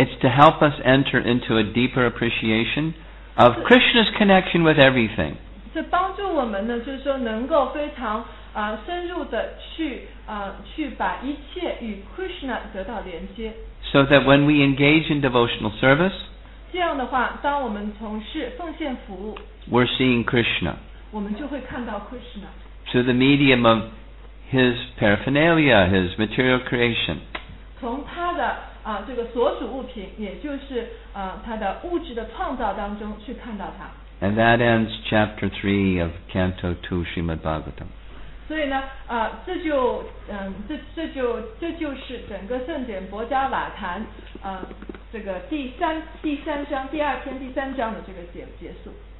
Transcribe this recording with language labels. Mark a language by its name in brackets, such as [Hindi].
[English] It's to help us enter into a deeper appreciation of Krishna's connection with everything. [Chinese] 是帮助我们呢，就是说能够非常深入的去把一切与 Krishna 得到连接。 [English] So that when we engage in devotional service, [Chinese] 这样的话，当我们从事奉献服务 [English] ，we're seeing Krishna. [Chinese] 我们就会看到 Krishna. [English] Through the medium of his paraphernalia, his material creation. [Chinese] 从他的这个所属物品，也就是他的物质的创造当中去看到他。 [English] And that ends chapter 3 of Canto 2 Srimad Bhagavatam. [Chinese] 所以呢，这就是整个圣典薄伽瓦坛这个第三章第二篇第三章的这个结束。